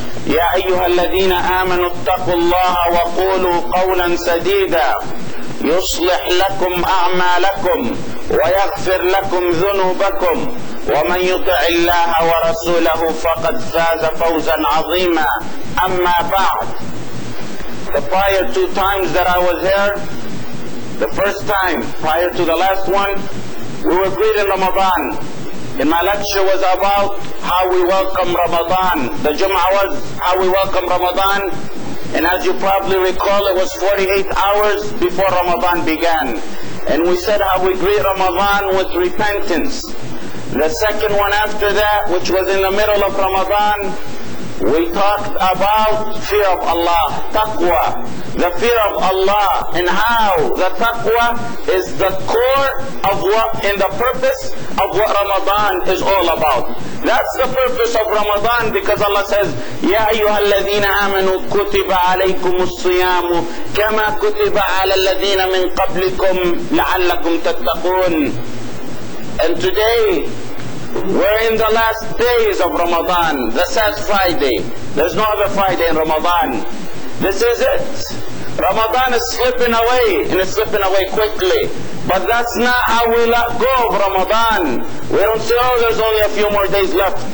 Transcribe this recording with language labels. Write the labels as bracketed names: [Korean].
[Arabic] يا أيها الذين آمنوا اتقوا الله وقولوا قولا سديدا يصلح لكم أعمالكم ويغفر لكم ذنوبكم، ومن يطع الله ورسوله فقد فاز فوزا عظيما. أما بعد، [English] the prior two times that I was here, the first time prior to the last one, we were greeting Ramadan. And my lecture was about how we welcome Ramadan. The Jum'ah was how we welcome Ramadan. And as you probably recall, it was 48 hours before Ramadan began. And we said how we greet Ramadan with repentance. The second one after that, which was in the middle of Ramadan, we talked about fear of Allah, taqwa, the fear of Allah, and how the taqwa is the core of what, in the purpose of what Ramadan is all about. That's the purpose of Ramadan, because Allah says, [Arabic] يَا أَيُّهَا الَّذِينَ آمَنُوا كُتِبَ عَلَيْكُمُ الصِّيَامُ كَمَا كُتِبَ عَلَى الَّذِينَ مِنْ قَبْلِكُمْ لَعَلَّكُمْ تَتَّقُونَ. [English] And today, we're in the last days of Ramadan, the sad Friday. There's no other Friday in Ramadan. This is it. Ramadan is slipping away, and it's slipping away quickly. But that's not how we let go of Ramadan. We don't say, oh, there's only a few more days left.